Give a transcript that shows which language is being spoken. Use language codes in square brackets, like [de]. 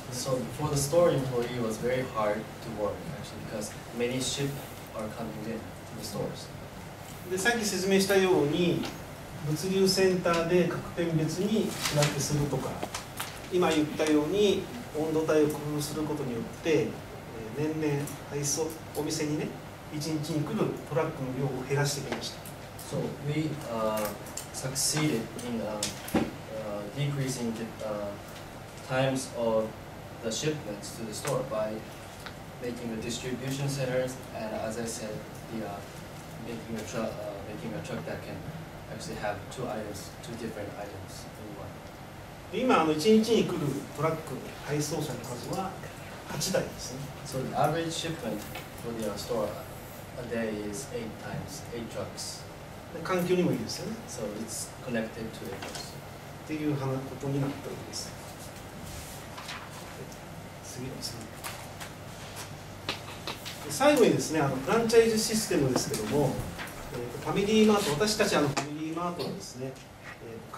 [en] So for the store employee, it was very hard to work actually because many ship are coming in to the stores. [ja] で、さっき説明したように、物流センターで各店別に仕分けするとか、今言ったように温度帯を工夫することによって、年々配送お店にね、1日に来るトラックの量を減らしてきました。 [en] So we succeeded in decreasing the times of the shipments to the store by making the distribution centers and, as I said, the making a truck that can actually have two items, two different items in one. [ja] 今あの1日に来るトラック配送車の数は8台ですね。 [en] So the average shipment for the store a day is 8 times, 8 trucks. [ja] 環境にもいいですよね。 [en] So it's connected to it. [ja] っていうことになったわけです。次ですね。で、最後にですね、あのフランチャイズシステムですけども、ファミリーマート、私たちあのファミリーマートはですね、各